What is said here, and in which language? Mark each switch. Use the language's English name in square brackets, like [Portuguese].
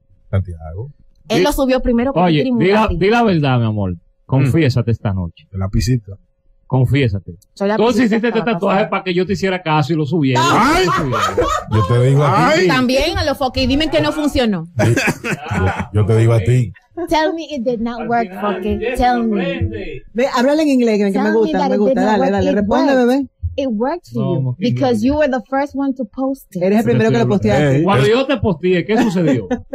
[Spanish] Santiago. Él lo subió primero. Oye, di la verdad, mi amor. Confiésate esta noche. El lapicito. Confiésate. Tú hiciste este tatuaje para que yo te hiciera caso y lo subiera. ¡Ay! Yo te digo a ti. También a los Foque. Y dime que no funcionó. Yo te digo a ti. [English] Tell me it did not work, Foque. Tell me. [Spanish] Ve, háblale en inglés, que me gusta. Dale. Responde, bebé. [English] It worked for you. Because you were the first one to post it. [Spanish] Eres el primero que lo posteaste. Cuando yo te posteé, ¿qué sucedió?